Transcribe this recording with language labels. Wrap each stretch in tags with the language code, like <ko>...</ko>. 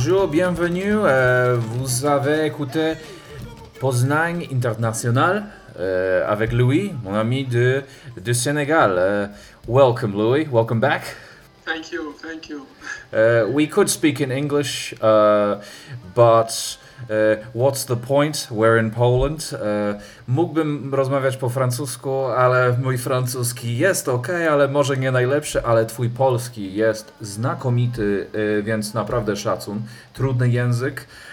<fr>Bienvenue, vous avez écouté Poznań International avec Louis, mon ami de Senegal.</fr> <en>Welcome Louis, welcome back. Thank you. We could speak in English, but what's the point? We're in Poland.</en> <pl>Mógłbym rozmawiać po francusku, ale mój francuski jest ok, ale może nie najlepszy, ale twój polski jest znakomity, więc naprawdę szacun. Trudny język.</pl>